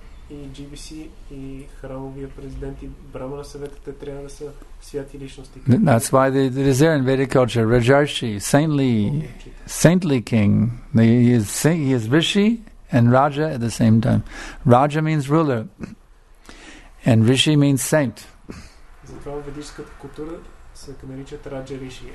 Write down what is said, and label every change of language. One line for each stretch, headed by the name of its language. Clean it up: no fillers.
Bulgarian: И GBC и храмовия президент и брамана съвета те трябва да са святи личности.
English: That's why it is there in Vedic culture, Rajarshi, saintly king. He is Rishi and Raja at the same time. Raja means ruler, and Rishi means saint.
Bulgarian: Затова в ведическата култура се наричат Раджа Риши.